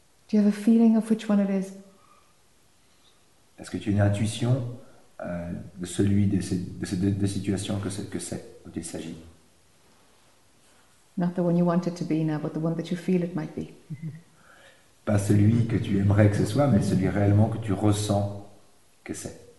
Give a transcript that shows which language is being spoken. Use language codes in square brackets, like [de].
[en] Do you have a feeling of which one it is? [fr] Est-ce que tu as une intuition de celui de ces deux situations que c'est dont il s'agit? [en] Not the one you want it to be now, but the one that you feel it might be. [fr] pas celui que tu aimerais que ce soit, mais celui réellement que tu ressens que c'est.